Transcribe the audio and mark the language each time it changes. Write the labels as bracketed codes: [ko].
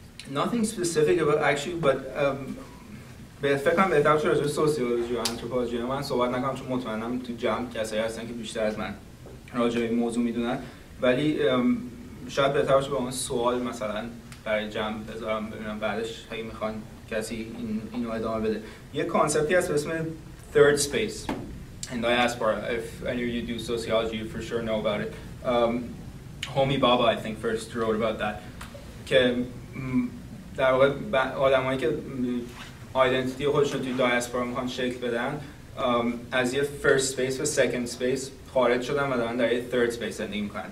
[en] Nothing specific about actually, but [fa] به فکر کنم بهتر شده روی سوسیولوژی و آنتروپولوژی من صحبت نکنم چون مطمئنم تو جمع کسایی هستن که بیشتر از من راجع به این موضوع میدونن ولی شاید بهتر باشه با اون سوال مثلا برای جمع بذارم ببینم بعدش اگه میخوان کسی اینو ادامه بده. یه کانسپتی هست به اسم [en] third space in diaspora. If any of you do sociology you for sure know about it. [fa] Homi Bhabha [en] I think first wrote about that [fa] که در واقع آدم هایی که آیدنتیتی خودشون توی دیاسپورا میخوان شکل بدن از یه first space و second space خارج شدن و دارن در یه third space زندگی میکنن.